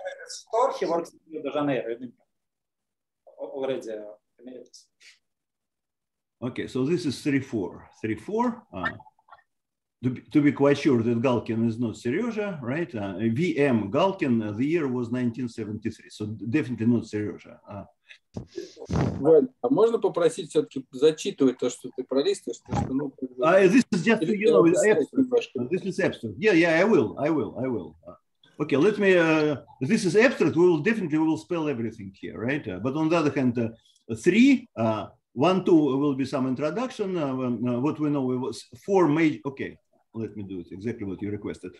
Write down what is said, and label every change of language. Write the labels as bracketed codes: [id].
[en] Store, she works in Rio de Janeiro. Okay, so this is 3-4, 3-4. To be quite sure that Galkin is not Serioja, right? VM Galkin, the year was 1973, so definitely not Serioja. [ru] Валь, а можно попросить все-таки зачитывать то, что ты пролистываешь? То, что, ну, [en] This is just, you know, this is abstract. Yeah, I will. Okay, let me, this is abstract, we will spell everything here, right? But on the other hand, 1, 2 will be some introduction. What we know, it was 4 major, okay. Let me do it exactly what you requested.